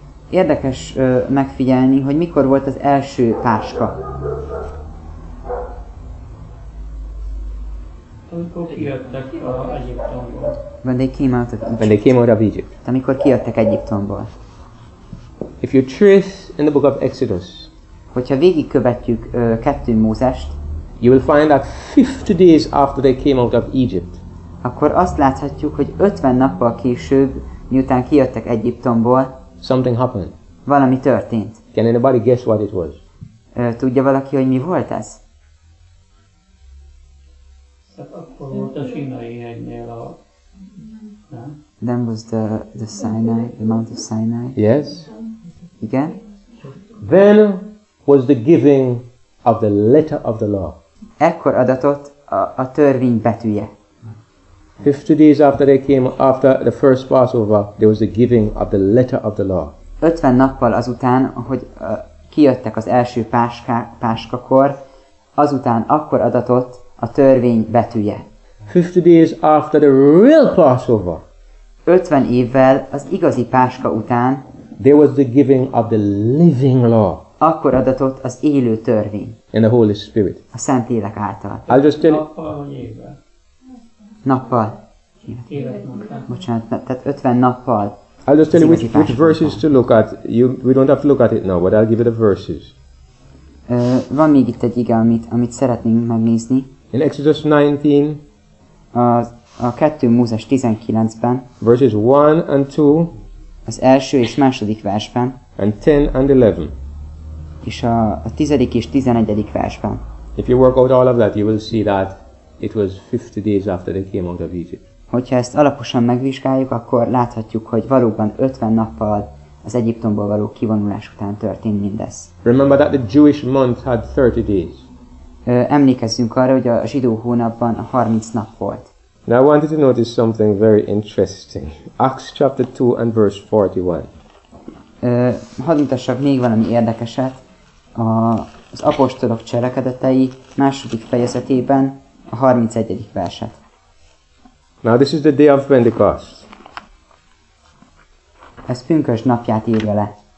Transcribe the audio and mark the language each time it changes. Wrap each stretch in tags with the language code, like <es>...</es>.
<hu>Érdekes megfigyelni, hogy mikor volt az első páska.</hu> <en>When they came out of Egypt.</en> <hu>Amikor kijöttek Egyiptomból.</hu> <en>If you trace in the book of Exodus,</en> <hu>hogyha végigkövetjük 2 Mózest,</hu> <en>you will find that 50 days after they came out of Egypt.</en> <hu>Akkor azt láthatjuk, hogy 50 nappal később, miután kijöttek Egyiptomból,</hu> <en>something happened.</en> <hu>Valami történt.</hu> <en>Can anybody guess what it was?</en> <hu>Tudja valaki, hogy mi volt ez? Akkor volt a Sinai hegynél a...</hu> <en>Then was the Sinai, the Mount of Sinai. Yes.</en> <hu>Igen.</hu> <en>Then was the giving of the letter of the law.</en> <hu>Ekkor adatott a törvény betűje.</hu> <en>50 days after they came after the first Passover, there was the giving of the letter of the law.</en> <hu>50 nappal azután, hogy kijöttek az első páskakor, azután akkor adatott a törvény betűje.</hu> <en>50 days after the real Passover.</en> <hu>50 évvel az igazi páska után,</hu> <en>there was the giving of the living law.</en> <hu>Akkor adatott az élő törvény.</hu> <en>In the Holy Spirit.</en> <hu>A Szentlélek által.</hu> <en>I'll just tell</en> <hu>nappal. Bocsánat, tehát 50 nappal.</hu> <en>I'll just tell you which verses to look at. We don't have to look at it now, but I'll give you the verses.</en> <hu>Van még itt egy ige, amit szeretnénk megnézni.</hu> <en>In Exodus 19.</en> <hu>A 2 Mózes 19-ben.</hu> <en>Verses 1 and 2.</en> <hu>Az első és második versben.</hu> <en>And 10 and 11.</en> <hu>És a 10. és 11. versben.</hu> <en>If you work out all of that, you will see that it was 50 days after they came out of Egypt.</en> <hu>Hogyha ezt alaposan megvizsgáljuk, akkor láthatjuk, hogy valóban 50 nappal az Egyiptomból való kivonulás után történt mindez.</hu> <en>Remember that the Jewish month had 30 days.</en> <hu>Emlékezzünk arra, hogy a zsidó hónapban 30 nap volt.</hu> <en>Now I want you to notice something very interesting. Acts chapter 2 and verse 41.</en> <hu>Hadd mutassak még valami érdekeset. Az apostolok cselekedetei második fejezetében a 31. verset.</hu> <en>Now this is the day of Pentecost.</en> <hu>Ez pünkösd napját írja le.</hu>